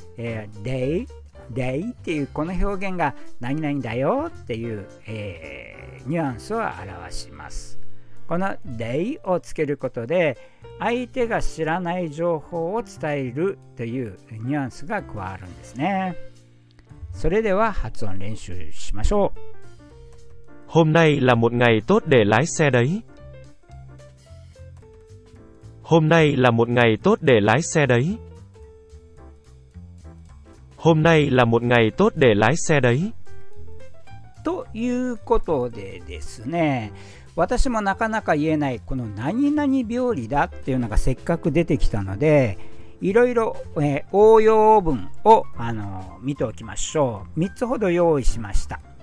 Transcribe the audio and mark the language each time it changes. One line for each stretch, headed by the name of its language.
Japanese: Day っていうこの表現が何々だよっていう、ニュアンスを表します。この Day をつけることで、相手が知らない情報を伝えるというニュアンスが加わるんですね。それでは発音練習しましょう。
Vietnamese: Hôm nay là một ngày tốt để lái xe đấy. Hôm nay là một ngày tốt để lái xe đấy. Hôm nay là một ngày tốt để lái xe đấy.
Japanese: ということでですね、私もなかなか言えないこの何々日和だっていうのがせっかく出てきたので、いろいろ応用文を見ておきましょう。3つほど用意しました。